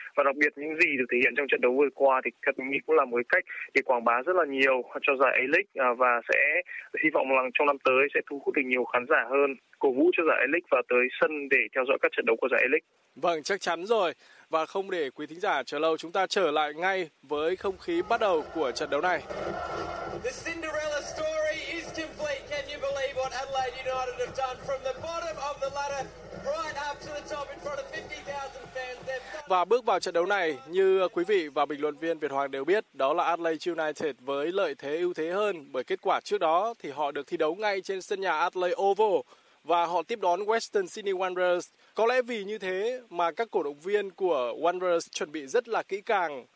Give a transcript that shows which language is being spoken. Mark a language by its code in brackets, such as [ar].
[vi] Và đặc biệt những gì được thể hiện trong trận đấu vừa qua thì các tôi nghĩ cũng là một cách để quảng bá rất là nhiều cho giải A-League và sẽ hy vọng rằng trong năm tới sẽ thu hút được nhiều khán giả hơn, cổ vũ cho giải A-League và tới sân để theo dõi các trận đấu của giải A-League. Vâng, chắc chắn rồi. Và không để quý thính giả chờ lâu, chúng ta trở lại ngay với không khí bắt đầu của trận đấu này. [en] The Cinderella story is complete. Can you believe what Adelaide United have done from the bottom of the ladder right up to the top in front of 50,000 fans? [vi] Và bước vào trận đấu này, như quý vị và bình luận viên Việt Hoàng đều biết, đó là Adelaide United với lợi thế ưu thế hơn bởi kết quả trước đó thì họ được thi đấu ngay trên sân nhà Adelaide Oval và họ tiếp đón Western Sydney Wanderers. Có lẽ vì như thế mà các cổ động viên của Wanderers chuẩn bị rất là kỹ càng.